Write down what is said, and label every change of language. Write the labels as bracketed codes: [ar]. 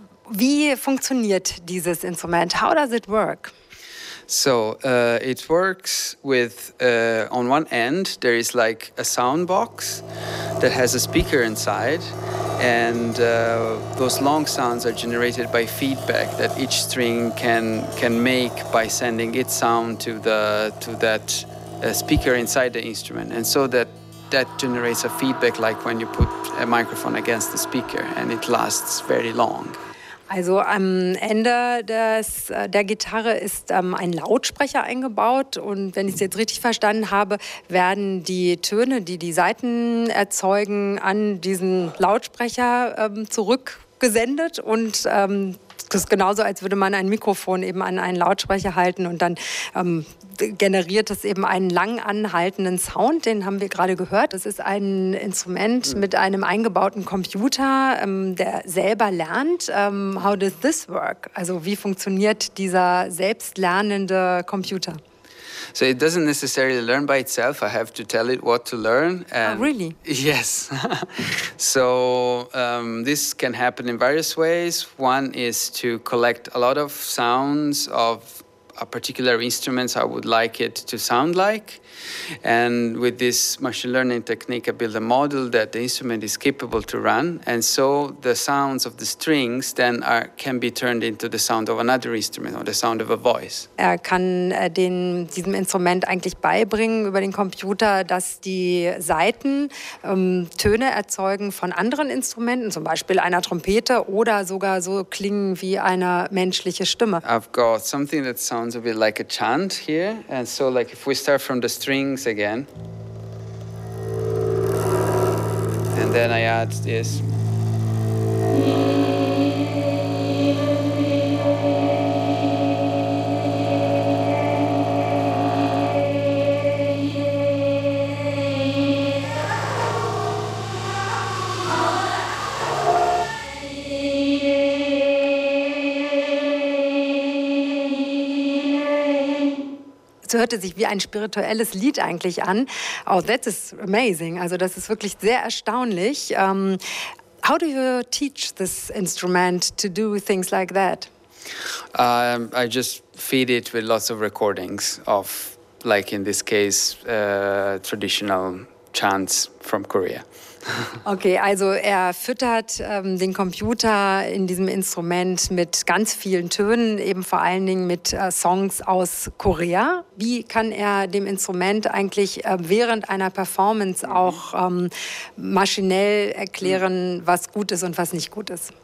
[de] Wie funktioniert dieses Instrument? [en] How does it work? So it works with, on one end, there is like a sound box that has a speaker inside, and those long sounds are generated by feedback that each string can make by sending its sound to that speaker inside the instrument. And so that generates a feedback, like when you put a microphone against the speaker, and it lasts very long. [de] Also am Ende der Gitarre ist ein Lautsprecher eingebaut, und wenn ich es jetzt richtig verstanden habe, werden die Töne, die die Saiten erzeugen, an diesen Lautsprecher zurückgesendet, und das ist genauso, als würde man ein Mikrofon eben an einen Lautsprecher halten, und dann generiert das eben einen lang anhaltenden Sound, den haben wir gerade gehört. Das ist ein Instrument mit einem eingebauten Computer, der selber lernt. [en] How does this work? [de] Also wie funktioniert dieser selbstlernende Computer? [en] So it doesn't necessarily learn by itself. I have to tell it what to learn. And oh, really? Yes. So this can happen in various ways. One is to collect a lot of sounds of a particular instrument I would like it to sound like. And with this machine learning technique, I build a model that the instrument is capable to run. And so the sounds of the strings then can be turned into the sound of another instrument or the sound of a voice. [de] Er kann diesem Instrument eigentlich beibringen über den Computer, dass die Saiten Töne erzeugen von anderen Instrumenten, zum Beispiel einer Trompete, oder sogar so klingen wie eine menschliche Stimme. [en] I've got something that sounds a bit like a chant here. And so like if we start from the strings again, and then I add this, [de] hörte sich wie ein spirituelles Lied eigentlich an. [en] Oh, that is amazing. [de] Also das ist wirklich sehr erstaunlich. [en] How do you teach this instrument to do things like that? I just feed it with lots of recordings of like in this case, traditional chants from Korea. [de] Okay, also er füttert den Computer in diesem Instrument mit ganz vielen Tönen, eben vor allen Dingen mit Songs aus Korea. Wie kann er dem Instrument eigentlich während einer Performance auch maschinell erklären, was gut ist und was nicht gut ist?